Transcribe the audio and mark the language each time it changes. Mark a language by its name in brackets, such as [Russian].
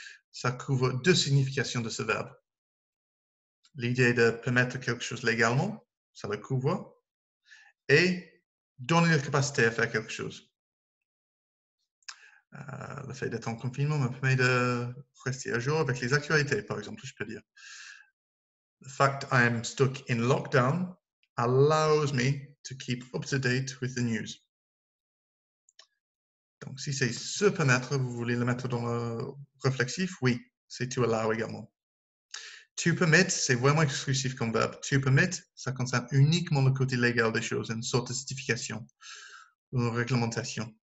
[French] Ça couvre deux significations de ce verbe. L'idée de permettre quelque chose légalement, ça le couvre. Et donner la capacité à faire quelque chose. Le fait d'être en confinement me permet de rester à jour avec les actualités, par exemple, je peux dire. [English] The fact I am stuck in lockdown allows me to keep up to date with the news. [French] Donc, si c'est se permettre, vous voulez le mettre dans le réflexif? Oui, c'est to allow également. To permit, c'est vraiment exclusif comme verbe. To permit, ça concerne uniquement le côté légal des choses, une sorte de certification, une réglementation.